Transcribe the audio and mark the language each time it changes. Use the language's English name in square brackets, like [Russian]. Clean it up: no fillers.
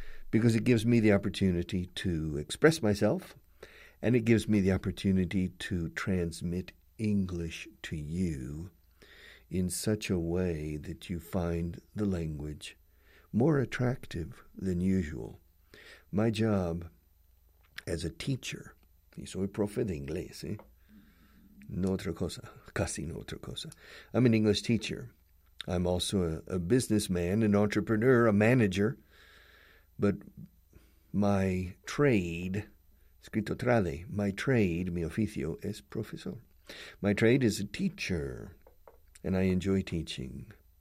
[English] Because it gives me the opportunity to express myself, and it gives me the opportunity to transmit English to you in such a way that you find the language more attractive than usual. My job as a teacher, [Spanish] y soy profe de inglés, ¿eh? No otra cosa, casi no otra cosa. [English] I'm an English teacher. I'm also a businessman, an entrepreneur, a manager. But my trade, escrito trade, my trade, [Spanish] mi oficio, es profesor. [English] My trade is a teacher, and I enjoy teaching.